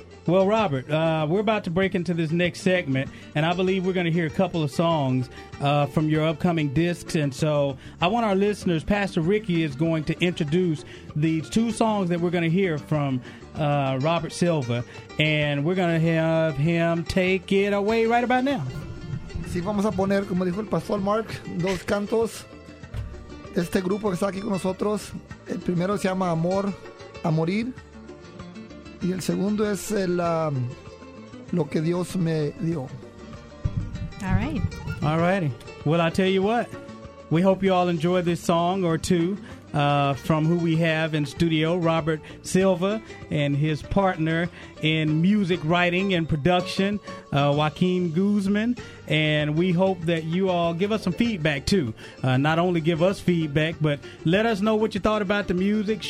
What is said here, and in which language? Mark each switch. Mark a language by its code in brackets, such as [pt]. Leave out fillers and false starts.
[en] Well, Robert, we're about to break into this next segment, and I believe we're going to hear a couple of songs from your upcoming discs. And so I want our listeners, Pastor Ricky is going to introduce these two songs that we're going to hear from Robert Silva, and we're going to have him take it away right about now. [es] Si vamos a poner, como dijo el Pastor Mark, dos cantos. Este grupo que está aquí con nosotros, el primero se llama Amor a Morir. Y el segundo es el lo que Dios me dio. [en] All right. All righty. Well, I tell you what. We hope you all enjoy this song or two from who we have in studio, Robert Silva and his partner in music writing and production, Joaquin Guzman. And we hope that you all give us some feedback, too. Not only give us feedback, but let us know what you thought about the music.